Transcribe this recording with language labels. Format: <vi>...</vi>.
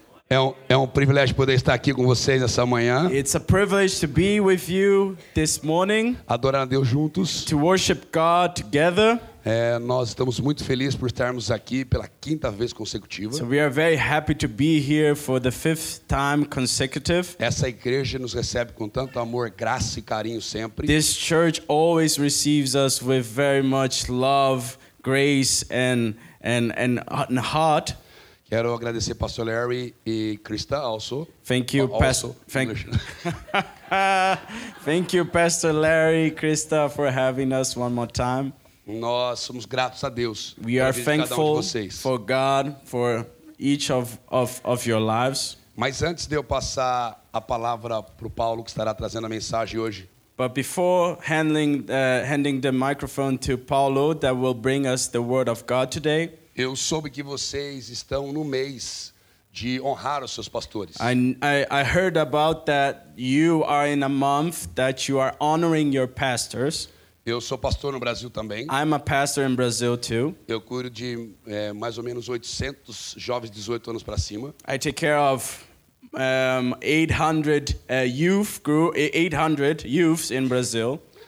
<pt>É um privilégio poder estar aqui com vocês essa manhã.</pt> <en>It's a privilege to be with you this morning.</en> <pt>Adorar a Deus juntos.</pt> <en>To worship God together.</en> <pt>Nós estamos muito felizes por estarmos aqui pela quinta vez consecutiva.</pt> <en>So we are very happy to be here for the fifth time consecutive.</en> <pt>Essa igreja nos recebe com tanto amor, graça e carinho sempre.</pt> <en>This church always receives us with very much love, grace and heart.</en> <pt>Quero agradecer Pastor Larry e Krista also.</pt> <en>Thank you, Pastor. Thank you, Pastor Larry, Krista, for having us one more time.</en> <pt>Nós somos gratos a Deus.</pt> <en>We are thankful for God for each of your lives.</en> <pt>Mas antes de eu passar a palavra pro Paulo que estará trazendo a mensagem hoje.</pt> <en>But before handing the microphone to Paulo that will bring us the word of God today.</en> <pt>Eu soube que vocês estão no mês de honrar os seus pastores.</pt> <en>I heard about that you are in a month that you are honoring your pastors.</en> <pt>Eu sou pastor no Brasil também.</pt> <en>I'm a pastor in Brazil too.</en> <pt>Eu cuido de mais ou menos 800 jovens de 18 anos para cima.</pt> <en>I take care of 800 youths in Brazil.</en>